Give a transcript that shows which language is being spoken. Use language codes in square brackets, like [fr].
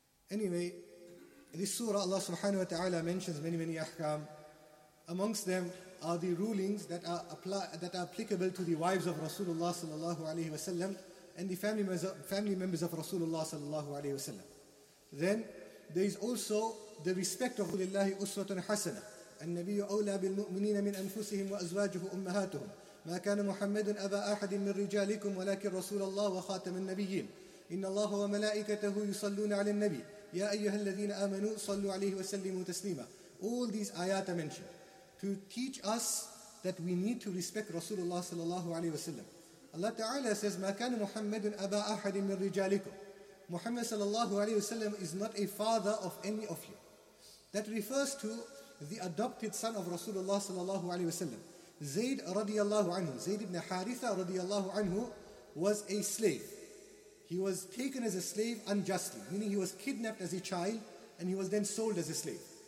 [en] Anyway, this surah Allah subhanahu wa ta'ala mentions many, many ahkam. Amongst them are the rulings that are applicable to the wives of Rasulullah sallallahu alayhi wa sallam and the family members of Rasulullah sallallahu alayhi wa sallam. Then there is also the respect of Qulillahi uswatun hasana. [ar] النبي أولى بالمؤمنين من أنفسهم وأزواجه أمهاتهم ما كان محمد أبا أحد من رجالكم ولكن رسول الله وخاتم النبيين إن الله وملائكته يصلون على النبي يا أيها الذين آمنوا صلوا عليه وسلموا تسليما. [en] All these ayat are mentioned to teach us that we need to respect Rasulullah صلى الله عليه وسلم. Allah Ta'ala says [ar] ما كان محمد أبا أحد من رجالكم. [en] Muhammad صلى الله عليه وسلم is not a father of any of you. That refers to the adopted son of Rasulullah sallallahu alayhi wa sallam. Zayd radiallahu anhu, Zayd ibn Haritha radiallahu anhu, was a slave. He was taken as a slave unjustly, meaning he was kidnapped as a child and he was then sold as a slave.